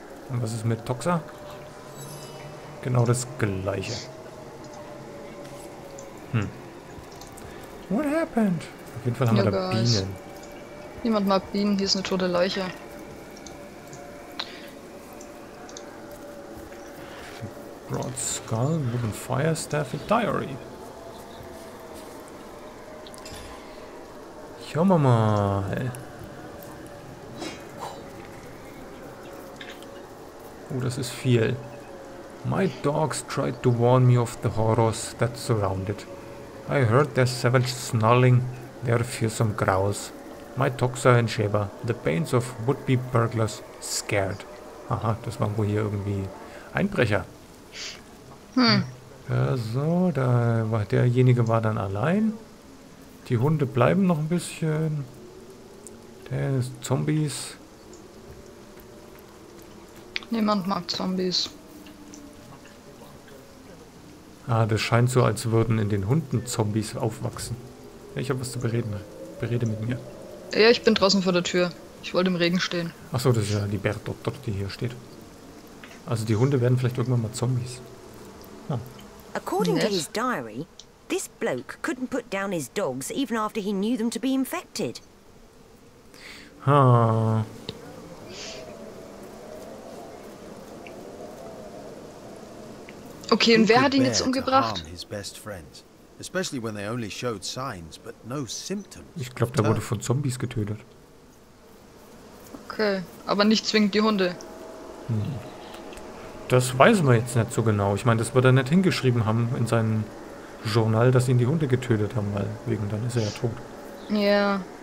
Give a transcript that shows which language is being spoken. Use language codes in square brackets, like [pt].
[de] Und was ist mit Toxa? Genau das Gleiche. [en] Hm. What happened? [de] Auf jeden Fall haben wir da Bienen. Niemand mag Bienen, hier ist eine tote Leiche. Broad Skull, Wooden Fire Staff, and Diary. Schauen wir mal. Oh, das ist viel. [en] My dogs tried to warn me of the horrors that surround it. I heard their savage snarling, their fearsome growls. My Toxa and Sheba, the banes of would-be burglars, scared. [de] Aha, das waren wohl hier irgendwie Einbrecher. Hm. Ja, so, da war derjenige war dann allein. Die Hunde bleiben noch ein bisschen. Der ist Zombies. Niemand mag Zombies. Ah, das scheint so, als würden in den Hunden Zombies aufwachsen. Ich habe was zu bereden. Berede mit mir. Ja, ich bin draußen vor der Tür. Ich wollte im Regen stehen. Achso, das ist ja die Bärdoktor, die hier steht. Also die Hunde werden vielleicht irgendwann mal Zombies. Ja. [en] According to his diary, this bloke couldn't put down his dogs, even after he knew them to be infected. Ha. [de] Okay, und wer hat ihn jetzt umgebracht? [en] His best friends, especially when they only showed signs but no symptoms. [de] Ich glaube, der wurde von Zombies getötet. Okay, aber nicht zwingend die Hunde. Hm. Das weiß man jetzt nicht so genau. Ich meine, das wird er nicht hingeschrieben haben in seinem Journal, dass ihn die Hunde getötet haben, weil wegen dann ist er ja tot. Ja. Yeah.